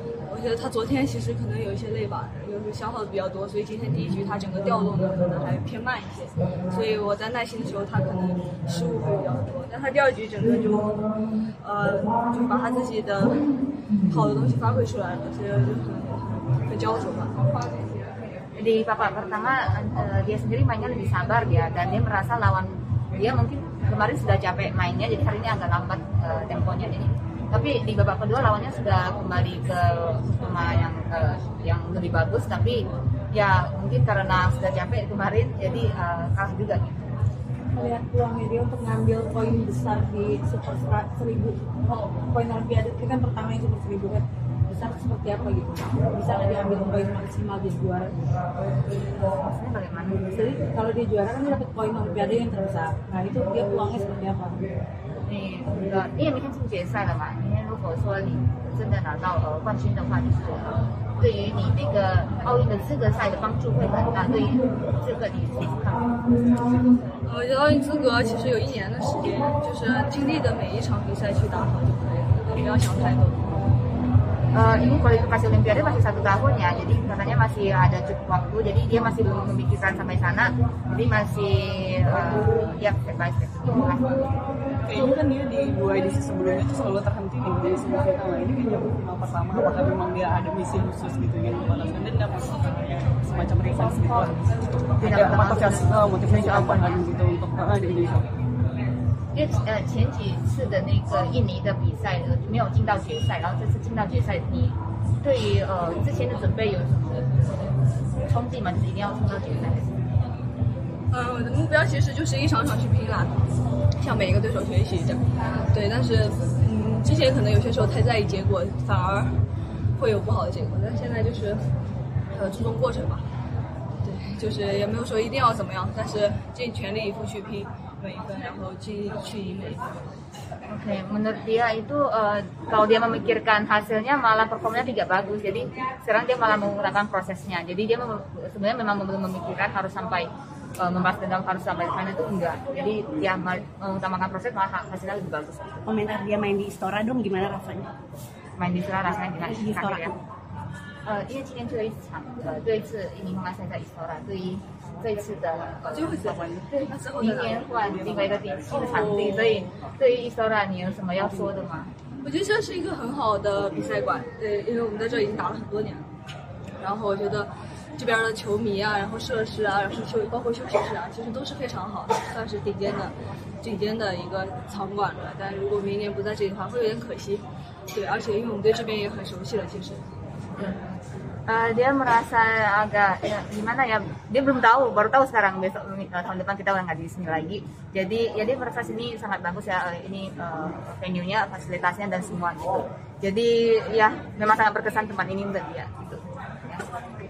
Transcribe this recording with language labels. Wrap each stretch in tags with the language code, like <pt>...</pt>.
<zh>我觉得他昨天其实可能有一些累吧，就是消耗的比较多，所以今天第一局他整个调动的可能还偏慢一些，所以我在耐心的时候他可能失误会比较多，但他第二局整个就就把他自己的好的东西发挥出来了，所以就很焦灼吧。</zh> <id>Jadi babak pertama dia sendiri mainnya lebih sabar dia, dan dia merasa lawan dia mungkin kemarin sudah capek mainnya, jadi hari ini agak lambat temponya ini. Tapi di babak kedua lawannya sudah kembali ke performa yang lebih bagus, tapi ya mungkin karena sudah capek kemarin jadi kalah juga gitu. Melihat peluangnya dia untuk ngambil poin besar di Super 1000, poin Olimpiade itu kan pertama yang Super 1000 kan besar seperti apa gitu, bisa nggak diambil poin maksimal di juara? Maksudnya bagaimana? Jadi kalau di juara kan dia dapat poin Olimpiade yang terbesar, nah itu dia peluangnya seperti apa?</id> <zh>你也没看进决赛了嘛，明天如果说你真的拿到冠军的话，就是对于你那个奥运的资格赛的帮助会很大，对于这个你怎么看？我觉得奥运资格其实有一年的时间，就是尽力的每一场比赛去打好就可以了，不要想太多。</zh> <id>Ini kualifikasi Olimpiade masih 1 tahun ya, jadi katanya masih ada cukup waktu, jadi dia masih belum memikirkan sampai sana, jadi masih ya</id> <en>step by step.</en> <id>Kayaknya kan dia di 2 edisi sebelumnya itu selalu terhenti nih, jadi semua kita lah ini kayaknya final pertama, apakah memang dia ada misi khusus gitu ya, kemarin dan dapat semacam resans gitu. Ada motivasi motivasi apa gitu untuk di Indonesia?</id> <zh>前几次的那个印尼的比赛没有进到决赛，然后这次进到决赛，你对于之前的准备有什么冲劲吗？就是一定要冲到决赛？我的目标其实就是一场场去拼啦，向每一个对手学习的。对，但是之前可能有些时候太在意结果，反而会有不好的结果。但现在就是注重过程吧。对，就是也没有说一定要怎么样，但是尽全力以赴去拼。</zh> <id>Oke, menurut dia itu kalau dia memikirkan hasilnya malah performanya tidak bagus, jadi sekarang dia malah menggunakan prosesnya, jadi dia sebenarnya memang belum memikirkan harus sampai membahas dendam harus sampai sana itu enggak, jadi dia mengutamakan proses malah hasilnya lebih bagus. Komentar dia main di Istora dong, gimana rasanya? Main di Istora rasanya gimana? Di Istora ya?</id> <zh>因为今天就一次场，这一次银河赛在 Istora， 对于这一次的就会是对，明天换另外一个新的场地，所以对于 Istora 你有什么要说的吗？我觉得这是一个很好的比赛馆，对，因为我们在这已经打了很多年了，然后我觉得这边的球迷啊，然后设施啊，然后包括休息室啊，其实都是非常好的，算是顶尖的一个场馆了。但如果明年不在这里的话，会有点可惜。对，而且因为我们对这边也很熟悉了，其实。</zh> <id>Dia merasa agak ya, gimana ya, dia belum tahu, baru tahu sekarang besok tahun depan kita udah nggak di sini lagi, jadi ya dia merasa sini sangat bagus ya, ini venue-nya, fasilitasnya dan semua gitu, jadi ya memang sangat berkesan tempat ini untuk dia gitu.</id>